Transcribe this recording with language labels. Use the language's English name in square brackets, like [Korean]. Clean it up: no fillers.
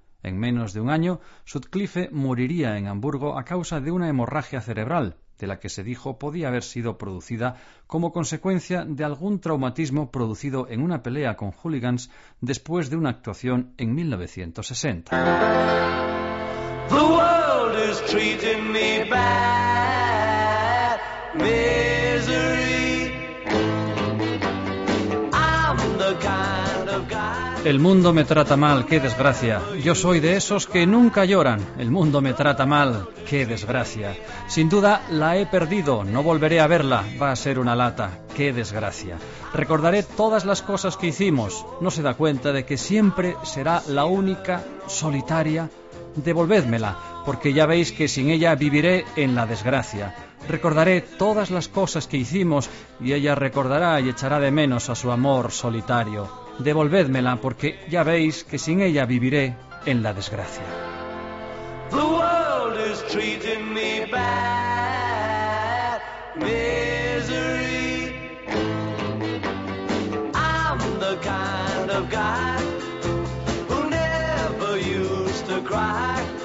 [Spanish] En menos de un año, Sutcliffe moriría en Hamburgo a causa de una hemorragia cerebral, de la que se dijo podía haber sido producida como consecuencia de algún traumatismo producido en una pelea con hooligans después de una actuación en 1960. [English] The world is treating me bad, misery. I'm the kind [Spanish] El mundo me trata mal, qué desgracia. Yo soy de esos que nunca lloran. El mundo me trata mal, qué desgracia. Sin duda la he perdido, no volveré a verla. Va a ser una lata, qué desgracia. Recordaré todas las cosas que hicimos. No se da cuenta de que siempre será la única, solitaria. Devolvédmela, porque ya veis que sin ella viviré en la desgracia. Recordaré todas las cosas que hicimos y ella recordará y echará de menos a su amor solitario. Devolvédmela, porque ya veis que sin ella viviré en la desgracia. [English] The world is treating me bad, misery. I'm the kind of guy who never used to cry.